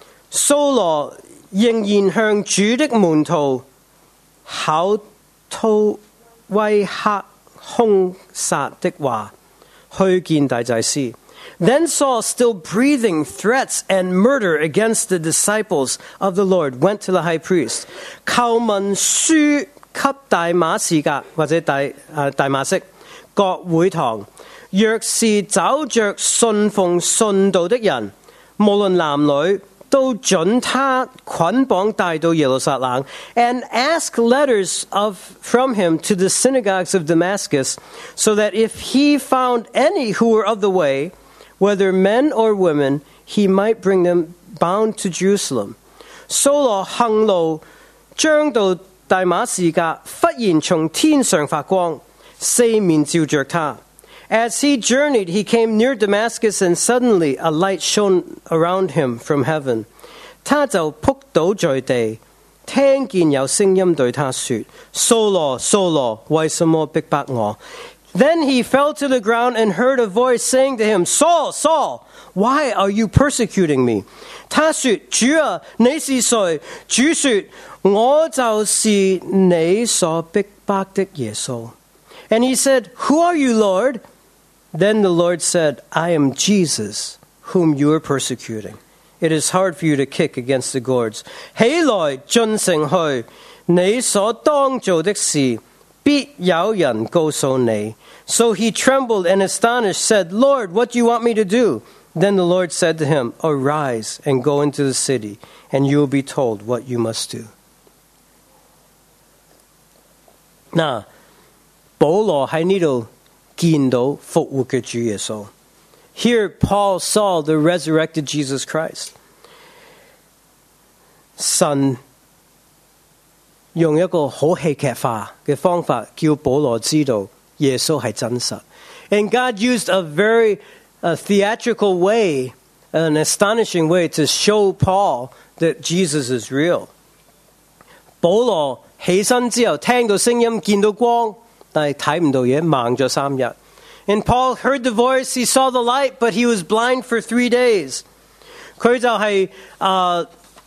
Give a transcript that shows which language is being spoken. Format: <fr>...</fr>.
<zh>扫罗仍然向主的门徒口吐威吓凶杀的话，去见大祭司。</zh> <en>Then Saul, still breathing threats and murder against the disciples of the Lord, went to the high priest.</en> <zh>叩问书给大马士革或者大马色各会堂，若是找着信奉信道的人，无论男女。都准他捆绑带到耶路撒冷</zh> <en>and ask letters from him to the synagogues of Damascus, so that if he found any who were of the way, whether men or women, he might bring them bound to Jerusalem.</en> <zh>扫罗行路将到大马士革，忽然从天上发光，四面照着他。</zh> <en>As he journeyed, he came near Damascus, and suddenly a light shone around him from heaven.</en> <zh>他就仆倒在地，听见有声音对他说，扫罗，扫罗，为什么逼迫我？</zh> <en>Then he fell to the ground and heard a voice saying to him, Saul, Saul, why are you persecuting me?</en> <zh>他说，主啊，你是谁？主说，我就是你所逼迫的耶稣。</zh> <en>And he said, Who are you, Lord? Then the Lord said, I am Jesus, whom you are persecuting. It is hard for you to kick against the goads.</en> <zh>起来，进城去，你所当做的事，必有人告诉你。</zh> <en>So he trembled and astonished, said, Lord, what do you want me to do? Then the Lord said to him, Arise and go into the city, and you will be told what you must do.</en> <zh>Now,保罗在这里见到复活的主耶稣。</zh> <en>Here, Paul saw the resurrected Jesus Christ.</en> <zh>神用一个很戏剧化的方法叫保罗知道耶稣是真实。</zh> <en>And God used a very theatrical way, an astonishing way to show Paul that Jesus is real.</en> <zh>保罗起身之后听到声音见到光但看不到东西盲了三日</zh> <en>And Paul heard the voice, he saw the light, but he was blind for 3 days.</en> <zh>他就是</zh>